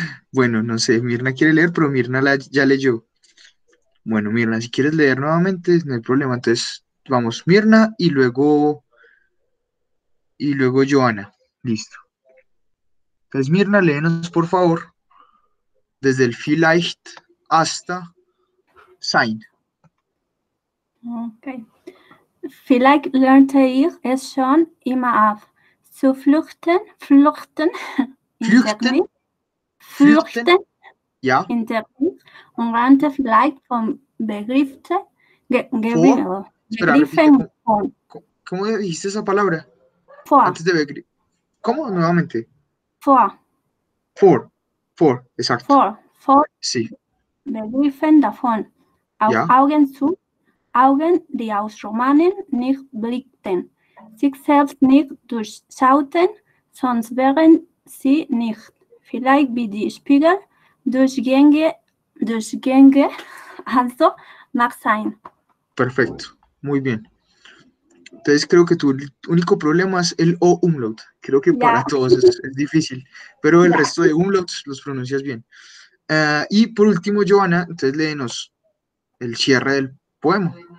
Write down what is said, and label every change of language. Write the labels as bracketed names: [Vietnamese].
[Spanish] Bueno, no sé, Mirna quiere leer, pero Mirna ya leyó. Bueno, Mirna, si quieres leer nuevamente, no hay problema. Entonces, vamos, Mirna y luego Joana. Listo. Entonces, Mirna, léenos, por favor, desde el vielleicht hasta sein. Okay. [German] Vielleicht lernte ich es schon immer auf, zu flüchten in der Flüchten, Nacht, flüchten, flüchten ja. in der Nacht und rannte vielleicht vom [Spanish] Vor, espera, repite, [German] Begriffen von [Spanish] ¿cómo dijiste esa palabra? [German] vor. [Spanish] Antes de ver, ¿cómo? Nuevamente. [German] Vor. [Spanish] Vor, exacto. [German] Vor. [Spanish] Sí. [German] Begriffen davon, auf Ja. Augen zu. Augen, die aus Romanen nicht blickten, sich selbst nicht durchschauten, sonst wären sie nicht. Vielleicht wie die Spiegel, Durchgänge, also mag sein. [Spanish] Perfecto, muy bien. Entonces creo que tu único problema es el O umlaut. Creo que para Ya. todos es difícil, pero el Ya. resto de umlauts los pronuncias bien. Y por último, Joana, entonces léenos el cierre del poema.